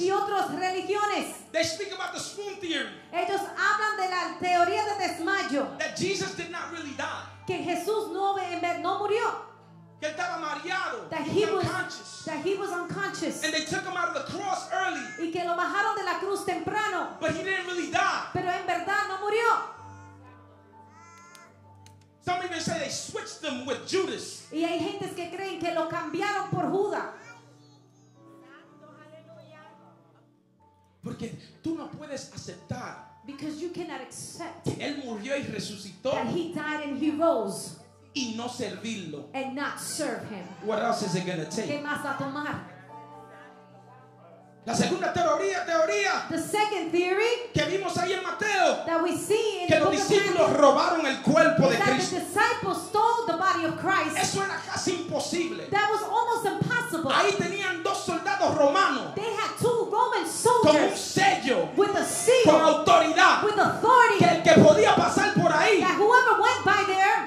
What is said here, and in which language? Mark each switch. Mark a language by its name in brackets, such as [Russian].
[Spanish] y otros religiones, [English] they speak about the swoon theory. [Spanish] Ellos hablan de la teoría de desmayo. [English] That Jesus did not really die. [Spanish] Que Jesús no murió. Que estaba mareado. [English] That he was unconscious. That he was unconscious. And they took him out of the cross early. [Spanish] Y que lo bajaron de la cruz temprano. [English] But he didn't really die. [Spanish] Pero en verdad no murió. [English] Some even say they switched them with Judas. [Spanish] Y hay gentes que creen que lo cambiaron por Judas. Porque tú no puedes aceptar. [English] Because you cannot accept. [Spanish] Que él murió y resucitó. [English] That he died and he rose. [Spanish] Y no servirlo. [English] And not serve him. What else is it going to take? [Spanish] ¿Qué más va a tomar? La segunda teoría. [English] The second theory. [Spanish] Que vimos ahí en Mateo. [English] That we see in [Spanish] que los discípulos robaron el cuerpo de Cristo. [English] That the disciples stole the body of Christ. [Spanish] Eso era casi imposible. [English] That was almost impossible. [Spanish] Ahí tenían dos soldados romanos. [English] They had two Roman soldiers. [Spanish] Con un sello. [English] With a seal. [Spanish] Con autoridad. [English] With authority. [Spanish] Que el que podía pasar por ahí. [English] That whoever went by there.